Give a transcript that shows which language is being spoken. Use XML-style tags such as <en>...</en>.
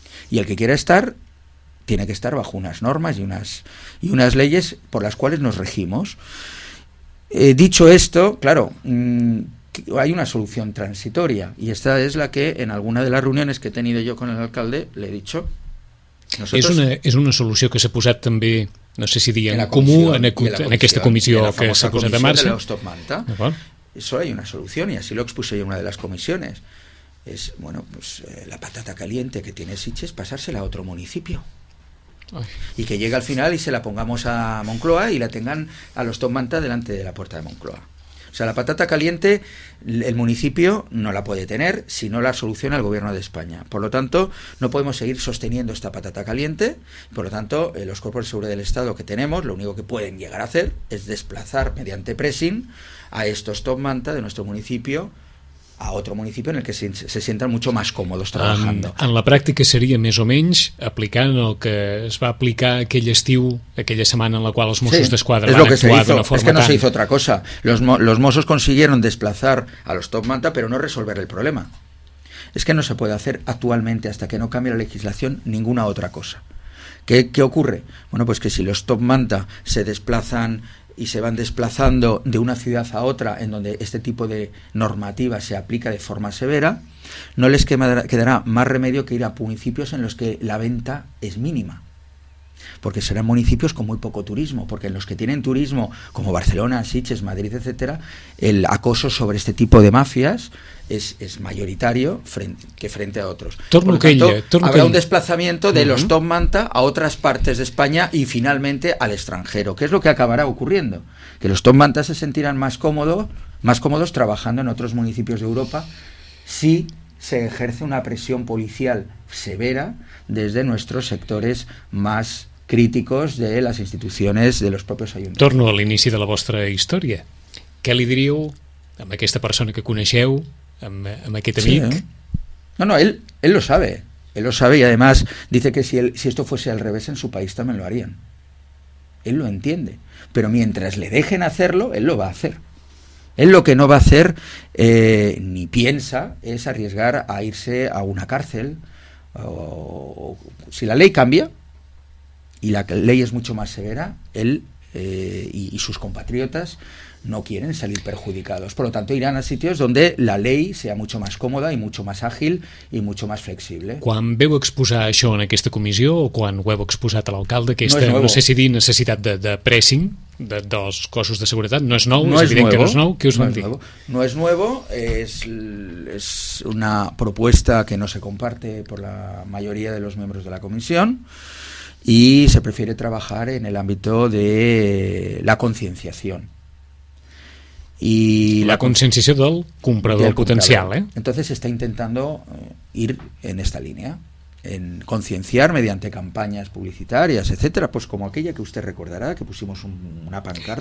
<es>Y el que quiera estar, tiene que estar bajo unas normas y unas leyes por las cuales nos regimos. Dicho esto, claro, hay una solución transitoria, y esta es la que en alguna de las reuniones que he tenido yo con el alcalde le he dicho.</es> <ca>Nosotros, és una solució que s'ha posat també, no sé si diguem, comú en aquesta comissió que s'ha posat en marxa.</ca> <es>De la Stop Manta. Solo hay una solución, y así lo expuse yo en una de las comisiones. Es, bueno, pues la patata caliente que tiene Sitges, pasársela a otro municipio. Ay. Y que llegue al final y se la pongamos a Moncloa y la tengan a los Stop Manta delante de la puerta de Moncloa. O sea, la patata caliente el municipio no la puede tener si no la soluciona el gobierno de España. Por lo tanto, no podemos seguir sosteniendo esta patata caliente. Por lo tanto, los cuerpos de seguridad del Estado que tenemos, lo único que pueden llegar a hacer es desplazar mediante pressing a estos Stop Manta de nuestro municipio a otro municipio en el que se sientan mucho más cómodos trabajando.</es> <ca>En la pràctica seria més o menys aplicant el que es va aplicar aquell estiu, aquella setmana en la qual els Mossos d'Esquadra van actuar d'una forma tan...</ca> <es>Es que no se hizo otra cosa. Los Mossos consiguieron desplazar a los Stop Manta, pero no resolver el problema. Es que no se puede hacer actualmente, hasta que no cambie la legislación, ninguna otra cosa. ¿Qué ocurre? Bueno, pues que si los Stop Manta se desplazan y se van desplazando de una ciudad a otra en donde este tipo de normativa se aplica de forma severa, no les quedará más remedio que ir a municipios en los que la venta es mínima, porque serán municipios con muy poco turismo, porque en los que tienen turismo, como Barcelona, Sitges, Madrid, etcétera, el acoso sobre este tipo de mafias es mayoritario frente a otros. Habrá un desplazamiento de los Stop Manta a otras partes de España y finalmente al extranjero, que es lo que acabará ocurriendo, que los Stop Manta se sentirán más cómodos trabajando en otros municipios de Europa si se ejerce una presión policial severa desde nuestros sectores más críticos de las instituciones, de los propios ayuntamientos.</es> <ca>Torno a l'inici de la vostra història. Què li diríeu a aquesta persona que coneixeu, a aquest amic? Sí,</ca> <es>No, él lo sabe. Él lo sabe, y además dice que si esto fuese al revés en su país también lo harían. Él lo entiende. Pero mientras le dejen hacerlo, él lo va a hacer. Él lo que no va a hacer, ni piensa, es arriesgar a irse a una cárcel. O, si la ley cambia, y la ley es mucho más severa, él y sus compatriotas no quieren salir perjudicados. Por lo tanto, irán a sitios donde la ley sea mucho más cómoda y mucho más ágil y mucho más flexible.</es> <ca>Quan veu exposar això en aquesta comissió, o quan ho heu exposat a l'alcalde, aquesta, no sé si dir, necessitat de pressing dels cossos de seguretat, no és nou, no és evident que no és nou, què us van dir? No és</ca> <es>nuevo,</es> <ca>és una proposta que</ca> <es>no se comparte</es> <ca>per la majoria dels membres de la comissió.</ca> <es>Y se prefiere trabajar en el ámbito de la concienciación. Y la concienciación del comprador potencial, ¿eh? Entonces se está intentando ir en esta línea, en concienciar mediante campañas publicitarias, etcétera, pues como aquella que usted recordará, que pusimos una pancarta,</es>